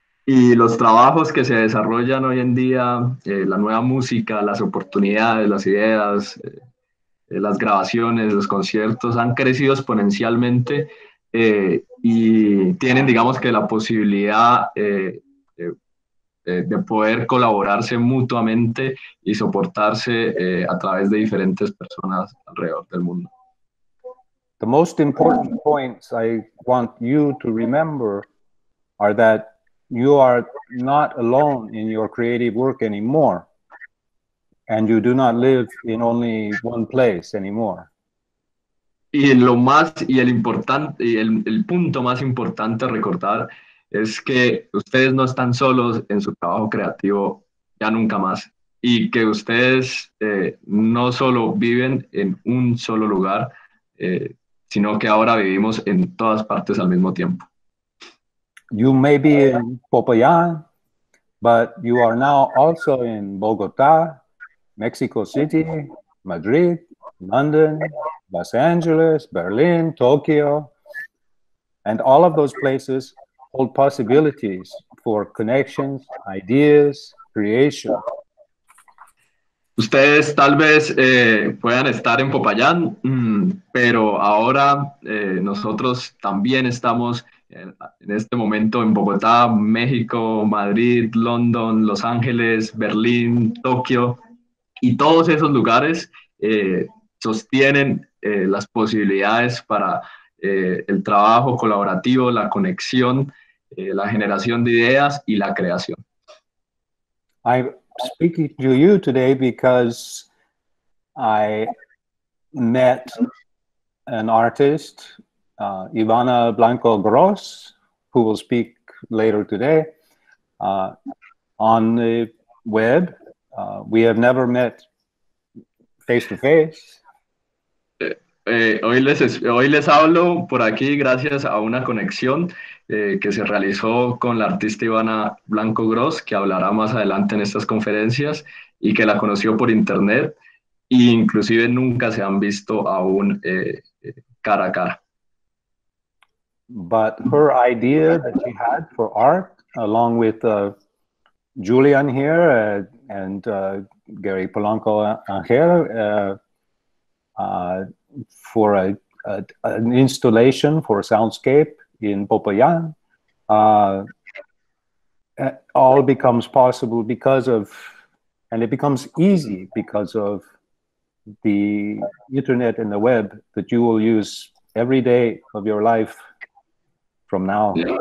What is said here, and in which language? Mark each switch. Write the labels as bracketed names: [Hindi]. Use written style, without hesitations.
[Spanish] Y los trabajos que se desarrollan hoy en día, la nueva música, las oportunidades, las ideas, las grabaciones, los conciertos han crecido exponencialmente y tienen, digamos que, la posibilidad de poder colaborarse mutuamente y soportarse a través de diferentes personas alrededor del mundo. [English] The most important points I want you to remember are that you are not alone in your creative work anymore, and you do not live in only one place anymore. [Spanish] Y lo más y el importante y el punto más importante a recordar es que ustedes no están solos en su trabajo creativo ya nunca más, y que ustedes no solo viven en un solo lugar, sino que ahora vivimos en todas partes al mismo tiempo. [English] You may be in Popayán, but you are now also in Bogotá, Mexico City, Madrid, London, Los Angeles, Berlin, Tokyo, and all of those places hold possibilities for connections, ideas, creation. [Spanish] Ustedes tal vez puedan estar en Popayán, pero ahora nosotros también estamos en este momento en Bogotá, México, Madrid, London, Los Ángeles, Berlín, Tokio, y todos esos lugares sostienen las posibilidades para el trabajo colaborativo, la conexión, la generación de ideas y la creación. [English] I'm speaking to you today because I met an artist, Ivana Blanco Gross, who will speak later today, on the web. We have never met face to face. [Spanish] Hoy les hablo por aquí gracias a una conexión que se realizó con la artista Ivana Blanco Gross, que hablará más adelante en estas conferencias, y que la conoció por internet, e inclusive nunca se han visto aún cara a cara. [English] But her idea that she had for art, along with Julian here and Gary Polanco Angel, for an installation for a soundscape in Popayán, all becomes possible because of, and it becomes easy because of the internet and the web that you will use every day of your life from now.